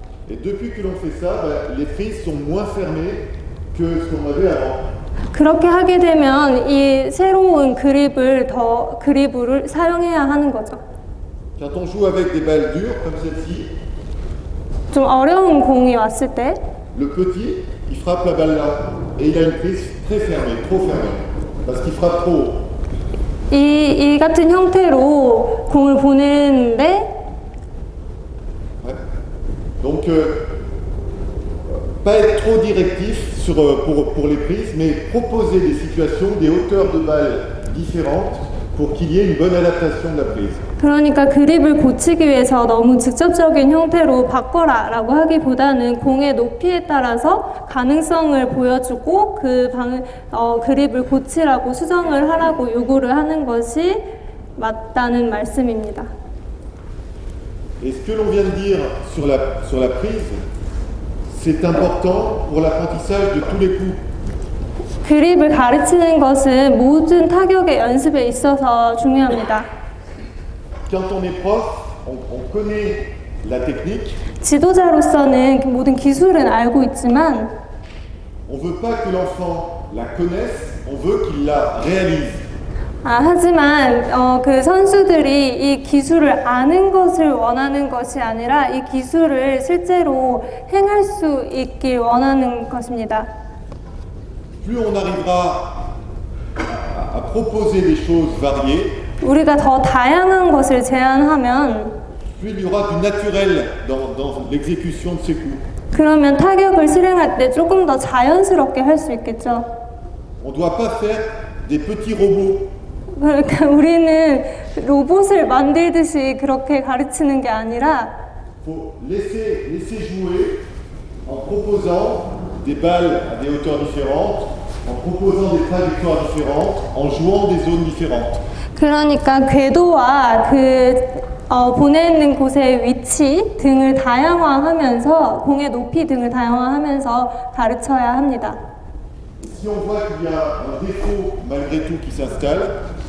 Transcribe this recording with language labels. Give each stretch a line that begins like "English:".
French: Et depuis que l'on fait ça, ben, les prises sont moins fermées que ce qu'on avait avant.
Korean: 그렇게 하게 되면 이 새로운 그립을 더 그립을 사용해야 하는 거죠.
French: Quand on joue avec des balles dures comme celle-ci,
Korean: 좀 어려운 공이 왔을 때,
French: le petit, il frappe la balle là et il a une prise très fermée, trop fermée, parce qu'il frappe trop.
Korean: 이 같은 형태로 공을 보내는데.
French: Donc, pas être trop directif sur, pour les prises, mais proposer des situations, des hauteurs de balles différentes pour qu'il y ait une bonne adaptation de la prise.
Korean: 그러니까 그립을 고치기 위해서 너무 직접적인 형태로 바꿔라라고 하기보다는 공의 높이에 따라서 가능성을 보여주고 그 그립을 고치라고 수정을 하라고 요구를 하는 것이 맞다는 말씀입니다.
French: Et ce que l'on vient de dire sur la prise, c'est important pour l'apprentissage de tous les coups.
Korean: 그립을 가르치는 것은 모든 타격의 연습에 있어서 중요합니다.
French: Quand on est prof, on connaît la technique.
Korean: 지도자로서는 모든 기술은 알고 있지만,
French: on veut pas que l'enfant la connaisse, on veut qu'il la réalise.
Korean: 하지만 그 선수들이 이 기술을 아는 것을 원하는 것이 아니라 이 기술을 실제로 행할 수 있길 원하는 것입니다.
French: Plus on arrivera à proposer des choses variées,
Korean: 우리가 더 다양한 것을 제안하면
French: plus il y aura du naturel dans l'exécution de ces coups.
Korean: 그러면 타격을 실행할 때 조금 더 자연스럽게 할 수 있겠죠.
French: On doit pas faire des petits robots.
Korean: 그러니까 우리는 로봇을 만들듯이 그렇게 가르치는 게 아니라
French: laisser jouer en proposant des balles à des hauteurs différentes, en proposant des trajectoires différentes, en jouant des zones différentes.
Korean: 그러니까 궤도와 그 보내는 곳의 위치 등을 다양화하면서 공의 높이 등을 다양화하면서 가르쳐야 합니다.
French: Si on voit qu'il y a un défaut malgré tout qui s'installe,